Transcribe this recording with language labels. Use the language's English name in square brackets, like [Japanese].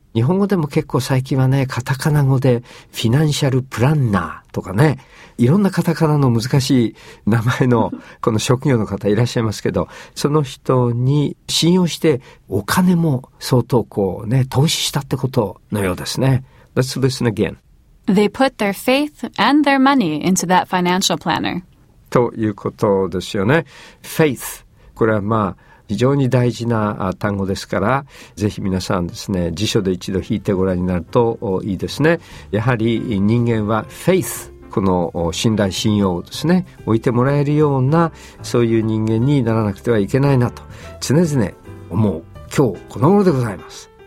[Japanese] 日本語でも結構最近はね、カタカナ語でフィナンシャルプランナーとかね、いろんなカタカナの難しい名前のこの職業の方いらっしゃいますけど、その人に信用してお金も相当こうね、投資したってことのようですね。 [English] Let's listen again. They put their faith and their money into that financial planner. [Japanese] ということですよね。Faith。これはまあ、非常に大事な単語ですから、ぜひ皆さんですね、辞書で一度引いてご覧になるといいですね。やはり人間はフェイス、この信頼信用をですね、置いてもらえるような、そういう人間にならなくてはいけないなと常々思う今日この頃でございます。